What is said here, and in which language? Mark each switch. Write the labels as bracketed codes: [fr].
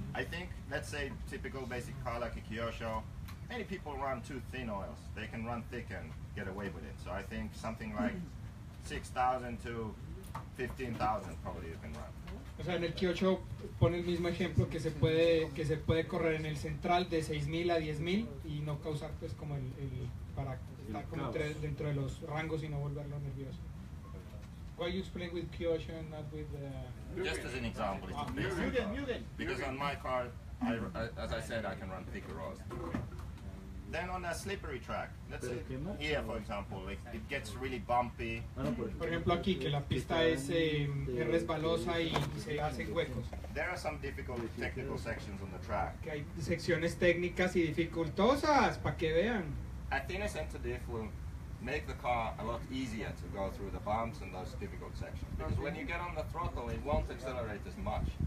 [en] I think, let's say, typical basic car like a Kyosho. Many people run too thin oils. They can run thick and get away with it. So I think something like 6,000 to 15,000 probably you can run. [es] O sea, en el Kyosho pone el mismo ejemplo que se puede correr en el central de 6,000 a 10,000 y no causar pues como el para estar como dentro de los rangos y no volverlo nervioso. [en] Why you explain with Kyosho and not with the... Just as an example, it's a basic car. Because on my car, I can run thicker oils. Then on a slippery track, let's say here for example, it gets really bumpy. [es] Por ejemplo aquí que la pista es resbalosa y se hacen huecos. [en] There are some difficult technical sections on the track. [es] Que hay secciones técnicas y dificultosas, para que vean. [en] A thinner center diff will make the car a lot easier to go through the bumps and those difficult sections. Because when you get on the throttle, it won't accelerate as much.